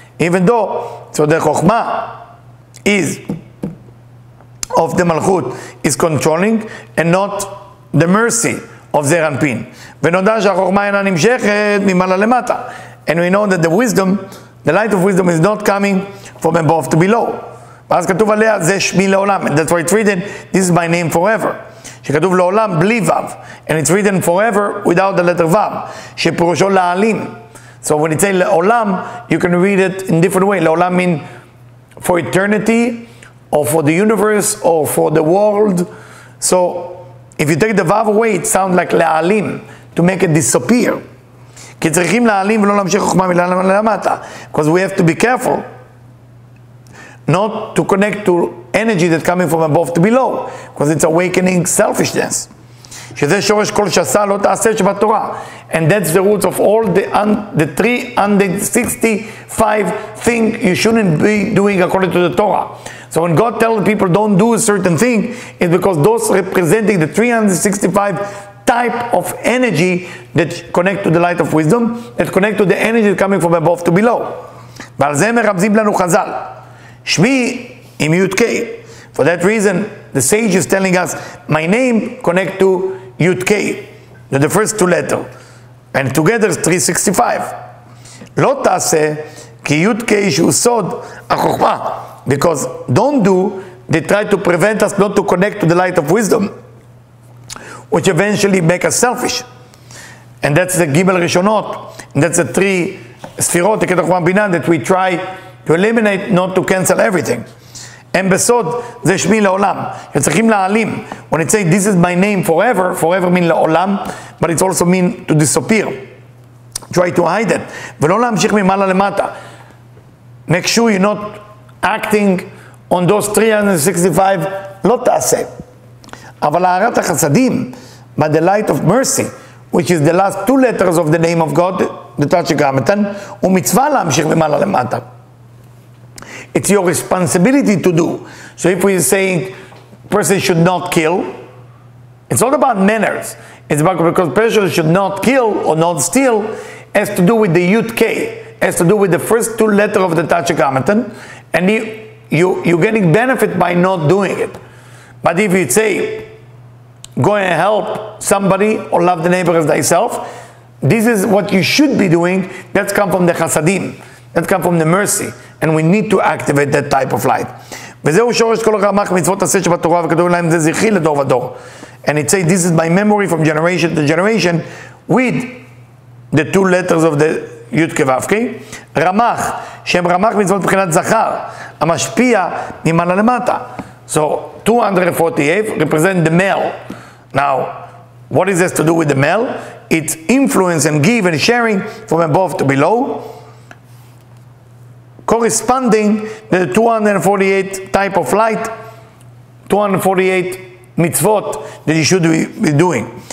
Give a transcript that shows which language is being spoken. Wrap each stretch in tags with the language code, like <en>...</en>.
<en>Even though, so the chokhmah is of the malchut, is controlling, and not the mercy of Zeher Anpin.</en> <he>V'nodah shechokhmah eina nimshechet mimala lemata.</he> <en>And we know that the wisdom, the light of wisdom, is not coming from above to below.</en> <he>V'az katuv aleha zeh shmi leolam.</he> <en>And that's why it's written, this is my name forever.</en> <he>שכתוב לעולם בלי וב,</he> <en>and it's written forever without the letter וב,</en> <he>שפירושו להעלים.</he> <en>So when it says לעולם, you can read it in different way. לעולם mean for eternity, or for the universe, or for the world. So if you take the וב away, it sounds like להעלים, to make it disappear.</en> <he>כי צריכים להעלים ולא להמשיך חוכמה מלמעלה למטה.</he> <en>Because we have to be careful not to connect to energy that's coming from above to below, because it's awakening selfishness. And that's the roots of all the 365 things you shouldn't be doing according to the Torah. So when God tells people don't do a certain thing, it's because those representing the 365 type of energy that connect to the light of wisdom, that connect to the energy that's coming from above to below.</en> <he>ועל זה מרמזים לנו חזל. שמי עם יודקי.</he> <en>For that reason, the sage is telling us, my name connect to Yud-K, the first two letters. And together, 365.</en> <he>לא תעשה, כי Yud-K שהוא סוד החוכמה.</he> <en>Because don't do, they try to prevent us not to connect to the light of wisdom, which eventually make us selfish. And that's the Gimel Rishonot. And that's the three Sfirot, the Ketach Chokhmah Binah, that we try to eliminate, not to cancel everything.</en> <he>הם בסוד, זה שמי לעולם. שצריכים להעלים.</he> <en>When it says, this is my name forever, forever mean לעולם, but it also mean to disappear. Try to hide it.</en> <he>ולא להמשיך ממעלה למטה.</he> <en>Make sure you're not acting on those 365 לא תעשה.</en> <he>אבל הערת החסדים,</he> <en>by the light of mercy, which is the last two letters of the name of God, the Tachi Gramatan,</en> <he>ומצווה להמשיך ממעלה למטה.</he> <en>It's your responsibility to do. So if we say, person should not kill, it's not about manners. It's about because person should not kill or not steal, has to do with the Yud K, has to do with the first two letters of the Tachi Gramatan, and you're getting benefit by not doing it. But if you say, go and help somebody or love the neighbor as thyself, this is what you should be doing. That's come from the chasadim. That come from the mercy. And we need to activate that type of light.</en> <he>וזהו שורש כל רמ"ח מצוות עשה שבתורה וכתוב להם זה זכרי לדור ודור.</he> <en>And it says, this is my memory from generation to generation with the two letters of the י"ק ו"ק.</en> <he>רמ"ח, שהם רמ"ח מצוות מבחינת זכר, המשפיע ממעלה למטה.</he> <en>So 248 represent the male. Now, what is this to do with the male? It's influence and give and sharing from above to below, corresponding to the 248 type of light, 248 mitzvot that you should be doing.</en>